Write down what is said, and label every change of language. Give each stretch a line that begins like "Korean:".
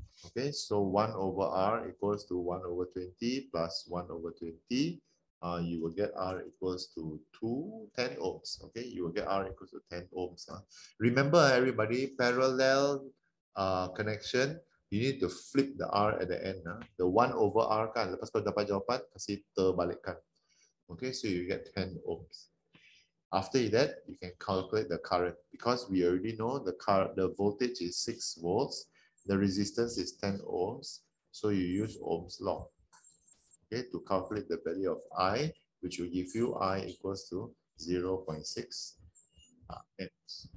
English: Okay, so 1 over R equals to 1 over 20 plus 1 over 20. You will get R equals to 10 ohms. Okay, you will get R equals to 10 ohms. Remember, everybody, parallel connection, you need to flip the R at the end. The 1 over R, kan?
Malay: Lepas kau dapat jawapan, kasih terbalikkan.
English: Okay, so you get 10 ohms. After that, you can calculate the current because we already know the voltage is 6 volts, the resistance is 10 ohms, so you use Ohm's law. Okay, to calculate the value of I, which will give you I equals to 0.6 amps.